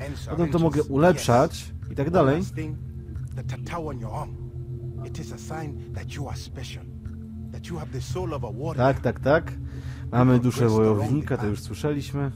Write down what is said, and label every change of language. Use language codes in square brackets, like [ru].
[pl] Potem to mogę ulepszać i tak dalej. [en] The tattoo on your arm. It is a sign that you are special, that you have the soul of a warrior. [pl] Tak. Mamy duszę wojownika, to już słyszeliśmy.